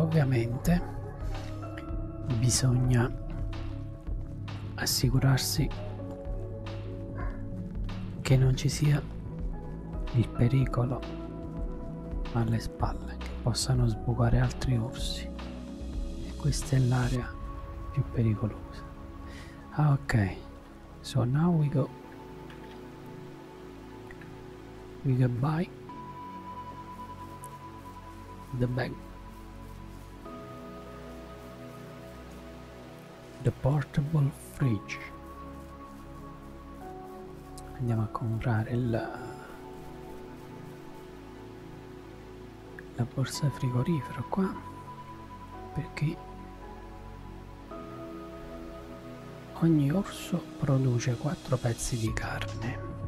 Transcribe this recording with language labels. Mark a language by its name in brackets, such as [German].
[Italian] Ovviamente bisogna assicurarsi che non ci sia il pericolo alle spalle, che possano sbucare altri orsi. Questa è l'area più pericolosa. [English] Ok, so now we go by the bag, the portable fridge. [Italian] Andiamo a comprare la borsa frigorifero qua, perché ogni orso produce 4 pezzi di carne.